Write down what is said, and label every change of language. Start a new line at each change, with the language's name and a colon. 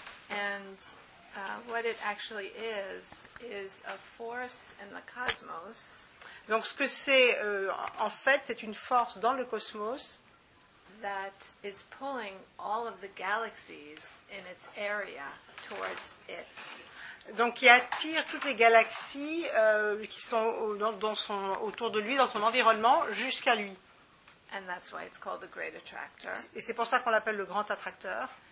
English: And what it actually is a force in the cosmos.
French: Donc ce que c'est en fait, c'est une force dans le cosmos.
English: That is pulling all of the galaxies in its area towards it.
French: Donc, il attire toutes les galaxies qui sont autour de lui, dans son environnement, jusqu'à lui.
English: And that's why it's called the great attractor.
French: Et c'est pour ça qu'on l'appelle le grand attracteur.